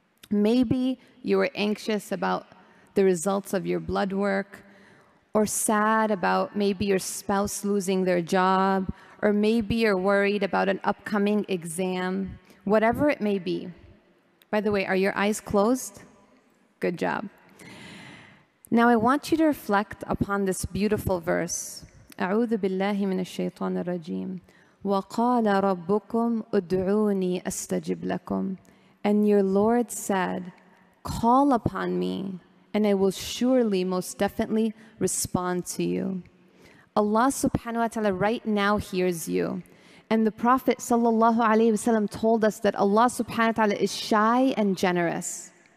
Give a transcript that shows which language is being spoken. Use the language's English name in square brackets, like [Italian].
[English] Maybe you were anxious about the results of your blood work, or sad about maybe your spouse losing their job, or maybe you're worried about an upcoming exam, whatever it may be. By the way, are your eyes closed? Good job. Now I want you to reflect upon this beautiful verse. [Arabic] أعوذ بالله من الشيطان الرجيم. وقال ربكم ادعوني استجب لكم. [English] And your Lord said, call upon me, and I will surely, most definitely respond to you. Allah subhanahu wa ta'ala right now hears you. And the Prophet sallallahu alayhi wa sallam told us that Allah subhanahu wa ta'ala is shy and generous.